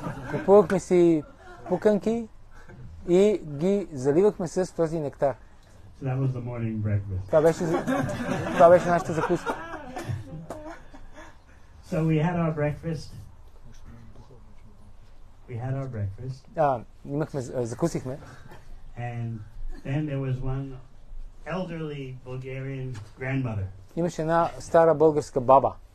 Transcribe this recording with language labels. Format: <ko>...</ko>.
<bg>Купувахме си пуканки и ги заливахме с този нектар.</bg> <en>So that was the morning breakfast.</en> <bg>Това беше нашата закуска.</bg> <en>So we had our breakfast. We had our breakfast.</en> <bg>Закусихме.</bg> <en>And then there was one elderly Bulgarian grandmother.</en> <bg>Имаше една стара българска баба.</bg>